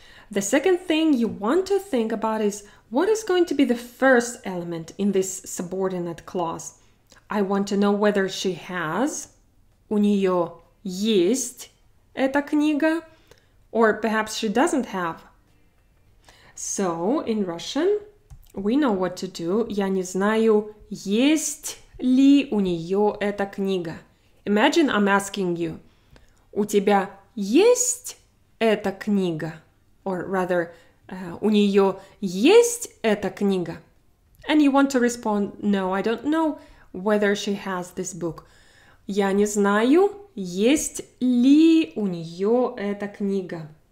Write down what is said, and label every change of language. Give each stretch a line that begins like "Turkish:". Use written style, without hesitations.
English: The second thing you want to think about is what is going to be the first element in this subordinate clause. I want to know whether she has.
Russian: У нее есть эта книга.
English: Or perhaps she doesn't have. So, in Russian, we know what to do.
Russian: Я не знаю, есть ли у нее эта книга.
English: Imagine I'm asking you,
Russian: у тебя есть эта книга?
English: Or rather,
Russian: у нее есть эта книга?
English: And you want to respond, no, I don't know whether she has this book.
Russian: Я не знаю, есть ли у нее эта книга.